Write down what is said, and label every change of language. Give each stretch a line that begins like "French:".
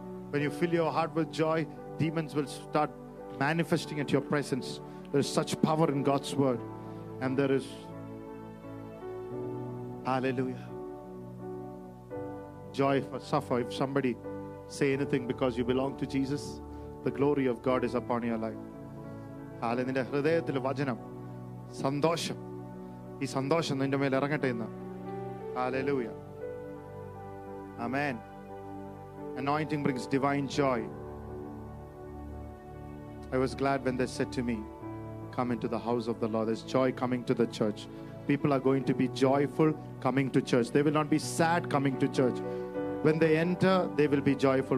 English: When you fill your heart with joy, demons will start manifesting at your presence. There is such power in God's word. And there is, hallelujah, joy for suffer. If somebody say anything because you belong to Jesus, the glory of God is upon your life.
Malayalam: നിന്റെ ഹൃദയത്തിൽ വചനം, സന്തോഷം, ഈ സന്തോഷം നിന്റെ മേൽ ഇറങ്ങട്ടെ എന്ന്. Hallelujah. Amen.
English: Anointing brings divine joy. I was glad when they said to me, come into the house of the Lord. There's joy coming to the church. People are going to be joyful coming to church. They will not be sad coming to church. When they enter, they will be joyful.